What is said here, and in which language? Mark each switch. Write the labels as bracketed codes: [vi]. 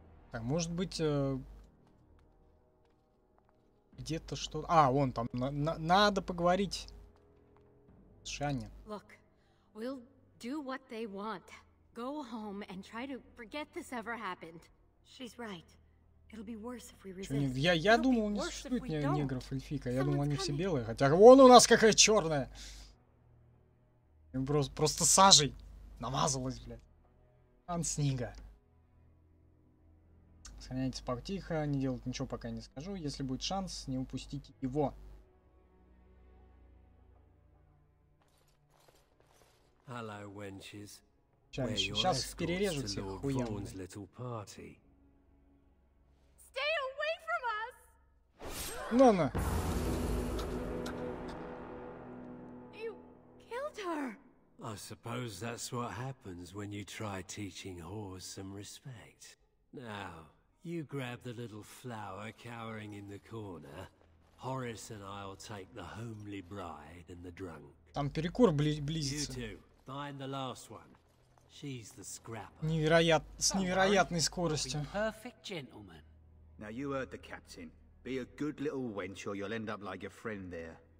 [ru] Так, может быть, где-то что... А, вон там, надо поговорить с Шанни. [en] Look, we'll do what they want. Go home and try to forget this ever happened. She's right. It'll be worse if we resist. [ru] Что, я думал, не существует негров, эльфийка. Я думал, они все белые. Хотя вон у нас какая черная. Просто сажей намазалась, блядь. Ан снига. Сохраняйтесь потихо, не делать ничего, пока не скажу. Если будет шанс, не упустите его. [en] Hello, wenches. [ru] Сейчас перережут всех хуя. [en] Stay away from us! [ru] Ну-ну. [en] You killed her. I suppose that's what happens when you try teaching whores some respect. Now, you grab the little flower cowering in the corner. Horace and I'll take the homely bride and the drunk. [ru] Там перекур близится. [en] You two, find the last one. She's the scrapper. [ru] Невероятно, с невероятной скоростью. [en] Perfect gentleman. Now you heard the captain. Be a good little wench or you'll end up like your friend there.